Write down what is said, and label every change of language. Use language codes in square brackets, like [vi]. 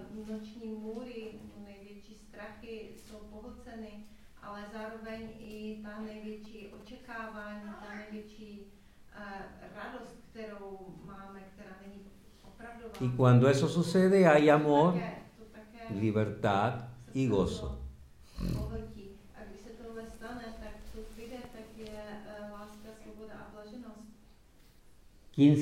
[cs] noční můry, největší strachy jsou pohlceny, ale zároveň i ta největší očekávání, ta největší radost, kterou máme, která není opravdová. [es] Y cuando eso sucede, hay amor, libertad y gozo. [cs] A když se tohle stane, tak to přijde, tak je láska, svoboda a blaženost.